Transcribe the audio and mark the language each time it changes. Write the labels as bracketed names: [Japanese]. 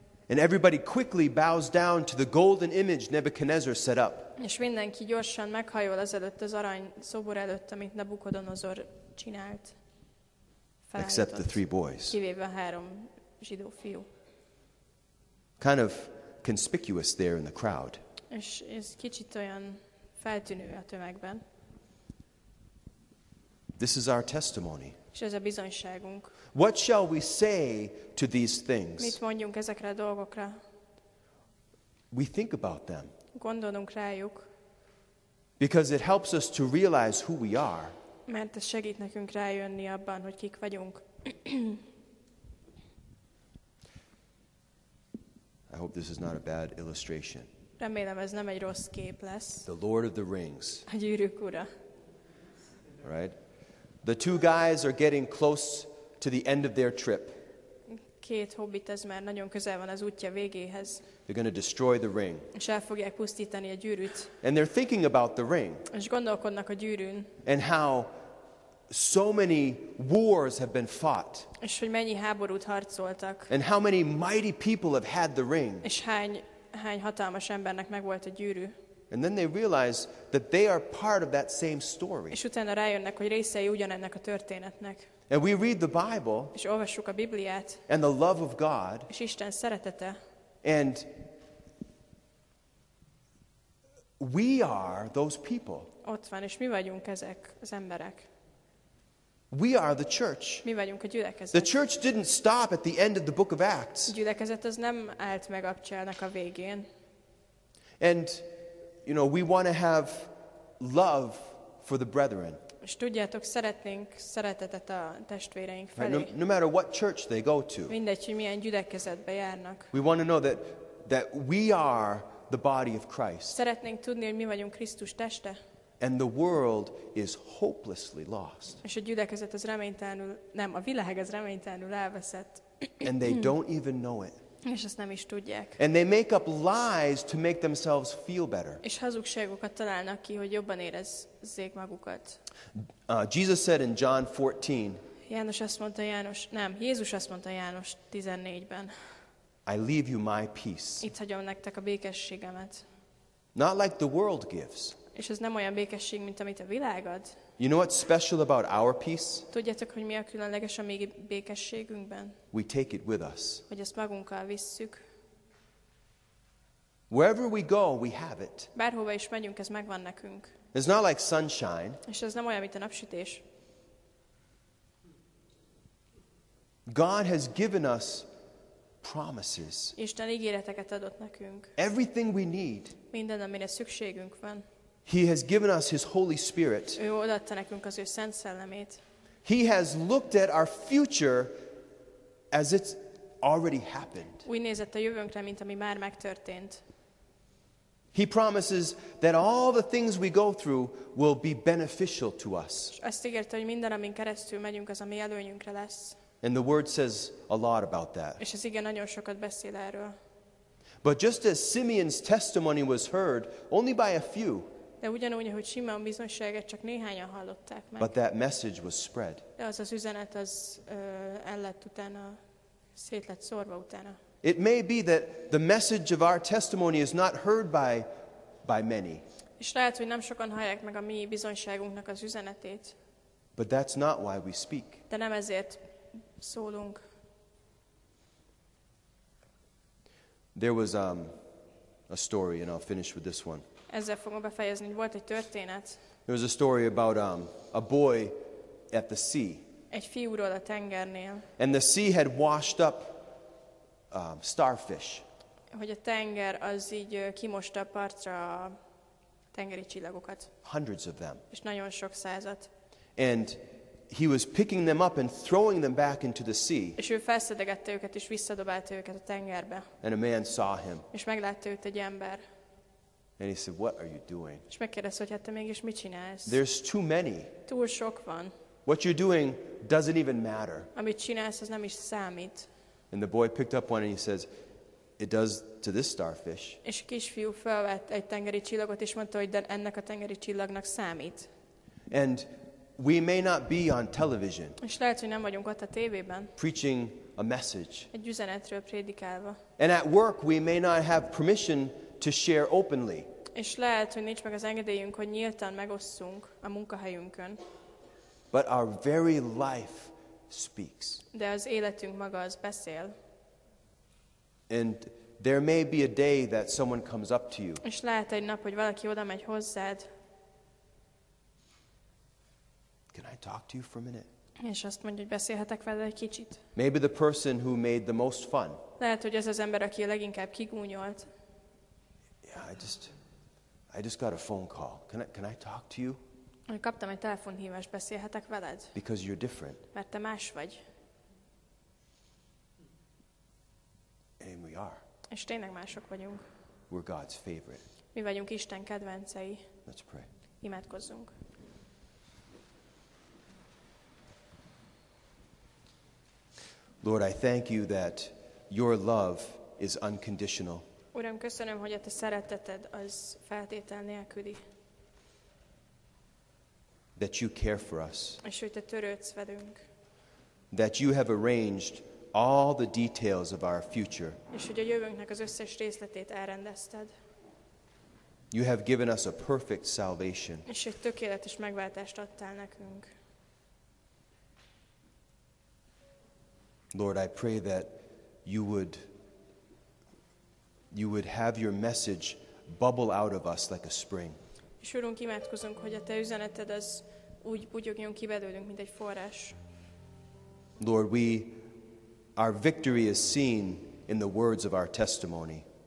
[English] And everybody quickly bows down to the golden image Nebuchadnezzar set up. [Hungarian] És mindenki gyorsan meghajol ezelőtt az arany szobor előtt, amit Nebukadnezar csinált. [English] Except the three boys. [Hungarian] Kivéve a három zsidó fiú. [English] Kind of conspicuous there in the crowd. [Hungarian] És ez kicsit olyan feltűnő a tömegben. [English] This is our testimony. [Hungarian] És ez a bizonyságunk. [English] What shall we say to these things? [Hungarian] Mit mondjunk ezekre a dolgokra? [English] We think about them. [Hungarian] Gondolunk rájuk. [English] Because it helps us to realize who we are. [Hungarian] Mert ez segít nekünk rájönni abban, hogy kik vagyunk. [English] I hope this is not a bad illustration. [Hungarian] Remélem, ez nem egy rossz kép lesz. [English] The Lord of the Rings. [Hungarian] A gyűrűk ura. [English] Right? The two guys are getting close to the end of their trip. [Hungarian] Két hobbit ez már nagyon közel van az útja végéhez. [English] They're going to destroy the ring. [Hungarian] És el fogják pusztítani a gyűrűt. [English] And they're thinking about the ring. [Hungarian] És gondolkodnak a gyűrűn. [English] And how so many wars have been fought. [Hungarian] És hogy mennyi háborút harcoltak. [English] And how many mighty people have had the ring. [Hungarian] És hány hatalmas embernek megvolt a gyűrű. [English] And then they realize that they are part of that same story. [Hungarian] És utána rájönnek, hogy részei ugyanennek a történetnek. [English] And we read the Bible. [Hungarian] És olvassuk a Bibliát. [English] And the love of God. [Hungarian] És Isten szeretete. [English] And we are those people. [Hungarian] Ott van, és mi vagyunk ezek az emberek. [English] We are the church. [Hungarian] Mi vagyunk a gyülekezet. [English] The church didn't stop at the end of the book of Acts. [Hungarian] A gyülekezet az nem állt meg apcsának a végén. [English] And you know, we want to have love for the brethren. [Hungarian] És tudjátok, szeretnénk szeretetet a testvéreink felé. [English] No matter what church they go to. [Hungarian] Mindegy, hogy milyen gyülekezetbe járnak. [English] We want to know that we are the body of Christ. [Hungarian] Szeretnénk tudni, hogy mi vagyunk Krisztus teste. [English] And the world is hopelessly lost. [Hungarian] És a gyülekezet az reménytelenül, nem, a világ az reménytelenül elveszett. [English] And they don't even know it. [Hungarian] És ezt nem is tudják. [English] And they make up lies to make themselves feel better. [Hungarian] És hazugságokat találnak ki, hogy jobban érezzék magukat. [English] Jesus said in John 14. [Hungarian] János azt mondta János, nem, Jézus azt mondta János 14-ben. [English] I leave you my peace. [Hungarian] Itt hagyom nektek a békességemet. [English] Not like the world gives. [Hungarian] És ez nem olyan békesség, mint amit a világ ad. [English] You know what's special about our peace? [Hungarian] Tudjátok, hogy mi a különleges a mi békességünkben? [English] We take it with us. [Hungarian] Hogy ezt magunkkal visszük. [English] Wherever we go, we have it. [Hungarian] Bárhova is megyünk, ez megvan nekünk. [English] It's not like sunshine. [Hungarian] És ez nem olyan, mint a napsütés. [English] God has given us promises. [Hungarian] Isten ígéreteket adott nekünk. [English] Everything we need. [Hungarian] Minden, amire szükségünk van. [English] He has given us his Holy Spirit. [Hungarian] Ő odaadta nekünk az ő Szent Szellemét. [English] He has looked at our future as it's already happened. [Hungarian] Úgy nézett a jövőnkre, mint ami már megtörtént. [English] He promises that all the things we go through will be beneficial to us. [Hungarian] Azt ígérte, hogy minden, amin keresztül megyünk, az a mi előnyünkre lesz. [English] And the word says a lot about that. [Hungarian] És ez igen nagyon sokat beszél erről. [English] But just as Simeon's testimony was heard only by a few. [Hungarian] De ugyanúgy, hogy Simeon bizonyságát csak néhányan hallották meg. [English] But that message was spread. [Hungarian] De az üzenet az ellett utána, szét lett szórva utána. [English] It may be that the message of our testimony is not heard by many. [Hungarian] És lehet, hogy nem sokan hallják meg a mi bizonyságunknak az üzenetét. [English] But that's not why we speak. [Hungarian] De nem ezért szólunk. [English] There was a story, and I'll finish with this one. [Hungarian] Ezzel fogom befejezni, hogy volt egy történet. [English] There was a story about a boy at the sea. [Hungarian] Egy fiúról a tengernél. [English] And the sea had washed up starfish. [Hungarian] Hogy a tenger az így kimosta a partra a tengeri csillagokat. [English] Hundreds of them. [Hungarian] És nagyon sok százat. [English] And he was picking them up and throwing them back into the sea. [Hungarian] És ő felszedegette őket és visszadobálta őket a tengerbe. [English] And a man saw him. [Hungarian] És meglátta őt egy ember. [English] And he said, "What are you doing?" [Hungarian] És megkérdezte, hogy hát te mégis mit csinálsz? [English] There's too many. [Hungarian] Túl sok van. [English] What you're doing doesn't even matter. [Hungarian] Amit csinálsz, az nem is számít. [English] And the boy picked up one and he says, "It does to this starfish." [Hungarian] És a kisfiú felvett egy tengeri csillagot és mondta, hogy de ennek a tengeri csillagnak számít. [English] And we may not be on television. [Hungarian] És lehet, hogy nem vagyunk ott a tévében. [English] Preaching a message. [Hungarian] Egy üzenetről prédikálva. [English] And at work we may not have permission to share openly. [Hungarian] És lehet, hogy nincs meg az engedélyünk, hogy nyíltan megosszunk a munkahelyünkön. [English] But our very life speaks. [Hungarian] De az életünk maga az beszél. [English] And there may be a day that someone comes up to you. [Hungarian] És lehet egy nap, hogy valaki oda megy hozzád. [English] Can I talk to you for a minute? [Hungarian] És azt mondja, hogy beszélhetek veled egy kicsit. [English] Maybe the person who made the most fun. [Hungarian] Lehet, hogy ez az ember, aki a leginkább kigúnyolt. [English] Yeah, I just got a phone call. Can I talk to you? [Hungarian] Kaptam egy telefonhívást, beszélhetek veled? [English] Because you're different. [Hungarian] Mert te más vagy. [English] And we are. [Hungarian] És tényleg mások vagyunk. [English] We're God's favorite. [Hungarian] Mi vagyunk Isten kedvencei. [English] Let's pray. [Hungarian] Imádkozzunk. [English] Lord, I thank you that your love is unconditional. [Hungarian] Uram, köszönöm, hogy a te szereteted az feltétel nélküli. [English] That you care for us. [Hungarian] És hogy te törődsz velünk. [English] That you have arranged all the details of our future. [Hungarian] És hogy a jövőnknek az összes részletét elrendezted. [English] You have given us a perfect salvation. [Hungarian] És hogy tökéletes megváltást adtál nekünk. [English] Lord, I pray that you would have your message bubble out of us like a spring. [Hungarian] És úrunk, imádkozunk, hogy a te üzeneted az úgy bugyogjon ki belőlünk, mint egy forrás. [English] Lord, our victory is seen in the words of our testimony.